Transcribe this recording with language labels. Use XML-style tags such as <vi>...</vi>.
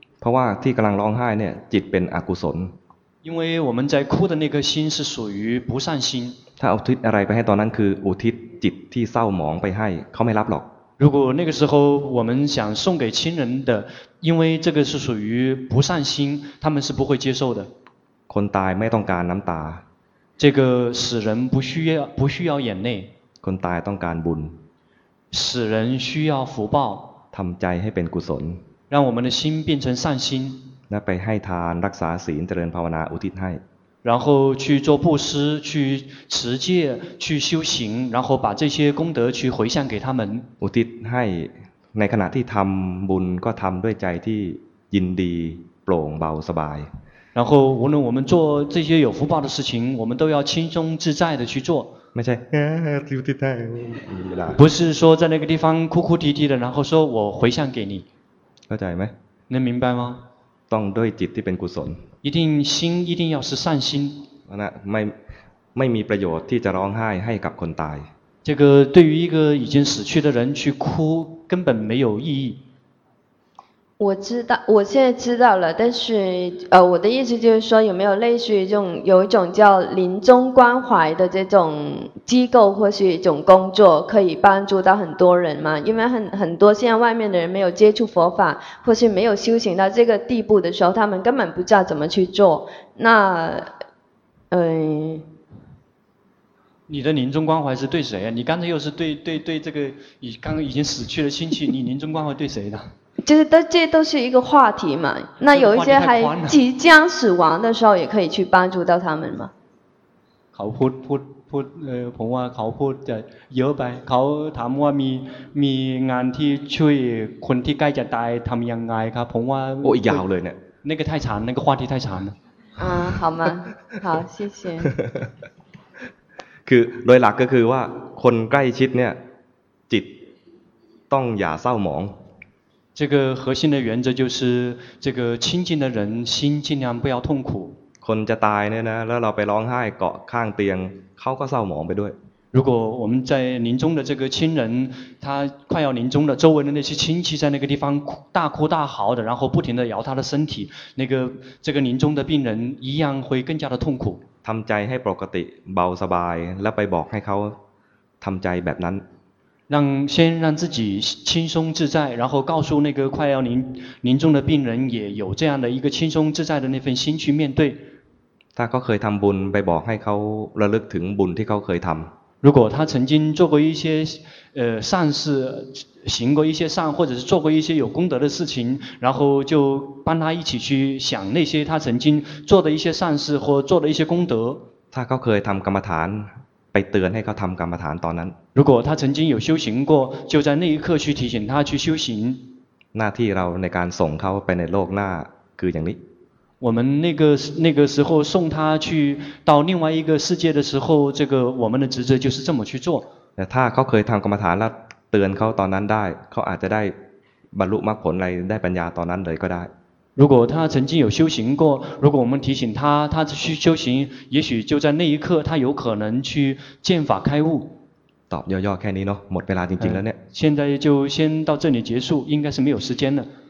<th>เพราะว่าที่กำลังร้องไห้เนี่ยจิตเป็นอกุศล</th> <zh>因为我们在哭的那颗心是属于不善心</zh> <th>ถ้าอุทิศอะไรไปให้ตอนนั้นคืออุทิศจิตที่เศร้าหมองไปให้เขาไม่รับหรอก</th> <zh>如果那个时候我们想送给亲人的因为这个是属于不善心他们是不会接受的</zh> <th>คนตายไม่ต้องการน้ำตา</th> <zh>这个死人不需要眼泪</zh> <th>คนตายต้องการบุญ</th> <zh>死人需要福报</zh> <th>ทำใจให้เป็นกุศล</th> <zh>让我们的心变成善心</zh> <th>และไปให้ทานรักษาศีลเจริญภาวนาอุทิศให้</th> <zh>然后去做布施去持戒去修行然后把这些功德去回向给他们</zh> <th>อุทิศให้ในขณะที่ทำบุญก็ทำด้วยใจที่ยินดีโปร่งเบาสบาย</th> <zh>然后无论我们做这些有福报的事情我们都要轻松自在的去做</zh> <th>ไม่ใช่อุทิศให้</th> <zh>不是说在那个地方哭哭啼啼的然后说我回向给你</zh> <th>เข้าใจไหม</th> <zh>能明白吗</zh> <th>ต้องด้วยจิตที่เป็นกุศล</th> <zh>一定心一定要是善心</zh> <th>นะไม่มีประโยชน์ที่จะร้องไห้ให้กับคนตาย</th> <zh>这个对于一个已经死去的人去哭根本没有意义我知道我现在知道了但是我的意思就是说有没有类似于这种有一种叫临终关怀的这种机构或是一种工作可以帮助到很多人吗因为很多现在外面的人没有接触佛法或是没有修行到这个地步的时候他们根本不知道怎么去做那你的临终关怀是对谁啊你刚才又是对这个刚刚已经死去的亲戚你临终关怀对谁的就是这都是一个话题嘛那有一些还即将死亡的时候也可以去帮助到他们嘛</zh> <th>เขาพูดผมว่าเขาพูดจะเยอะไปเขาถามว่ามีงานที่ช่วยคนที่ใกล้จะตายทำยังไงครับผมว่า โอ้ยาวเลยเนี่ย</th> <zh>那个太长那个话题太长了好吗好谢谢</zh> <th>คือโดยหลักก็คือว่าคนใกล้ชิดเนี่ยจิตต้องอย่าเศร้าหมอง</th> <zh>这个核心的原则就是这个亲近的人心尽量不要痛苦</zh> <th>คนจะตายเนี่ยนะแล้วเราไปร้องไห้เกาะข้างเตียงเขาก็เศร้าหมองไปด้วย</th> <zh>如果我们在临终的这个亲人他快要临终的周围的那些亲戚在那个地方大哭大嚎的然后不停地摇他的身体那个这个临终的病人一样会更加的痛苦</zh> <th>ทำใจให้ปกติเบาสบายแล้วไปบอกให้เขาทำใจแบบนั้น</th> <zh>先让自己轻松自在然后告诉那个快要临终的病人也有这样的一个轻松自在的那份心去面对</zh> <th>ถ้าเขาเคยทำบุญไปบอกให้เขาระลึกถึงบุญที่เขาเคยทำ</th> <zh>如果他曾经做过一些善事行过一些善或者是做过一些有功德的事情然后就帮他一起去想那些他曾经做的一些善事或做的一些功德</zh> <th>ถ้าเขาเคยทำกรรมฐานไปเตือนให้เขาทำกรรมฐานตอนนั้น</th> <zh>如果他曾经有修行过就在那一刻去提醒他去修行</zh> <th>หน้าที่เราในการส่งเขาไปในโลกหน้าคืออย่างนี้</th> <zh>我们那个时候送他去到另外一个世界的时候这个我们的职责就是这么去做</zh> <th>แต่ถ้าเขาเคยทำกรรมฐานแล้วเตือนเขาตอนนั้นได้เขาอาจจะได้บรรลุมรรคผลได้ปัญญาตอนนั้นเลยก็ได้</th> <zh>如果他曾经有修行过如果我们提醒他他去修行也许就在那一刻他有可能去见法开悟</zh> <th>ตอบย่อๆแค่นี้เนาะหมดเวลาจริงๆแล้วเนี่ย</th> <zh>现在就先到这里结束应该是没有时间了</zh>